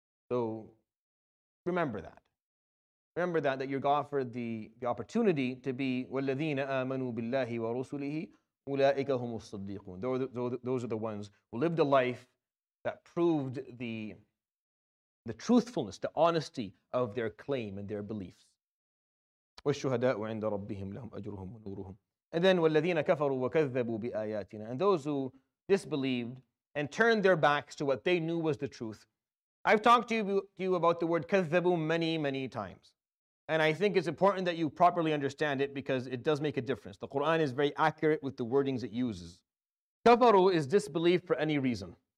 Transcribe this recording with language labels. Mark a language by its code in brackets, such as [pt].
[en] So remember that. Remember that you're offered the opportunity to be [ar] وَالَّذِينَ آمَنُوا بِاللَّهِ وَرُسُلِهِ أُولَٰئِكَ هُمُ الصَّدِّيقُونَ. [en] Those are the ones who lived a life that proved the truthfulness, the honesty of their claim and their beliefs. [ar] وَالشُّهَدَاءُ عِنْدَ رَبِّهِمْ لَهُمْ أَجْرُهُمْ وَنُورُهُمْ. [en] And then [ar] وَالَّذِينَ كَفَرُوا وَكَذَّبُوا بِآيَاتِنَا. [en] And those who disbelieved and turned their backs to what they knew was the truth. I've talked to you about the word كَذَّبُوا many, many times. And I think it's important that you properly understand it because it does make a difference. The Quran is very accurate with the wordings it uses. كَفَرُوا is disbelief for any reason.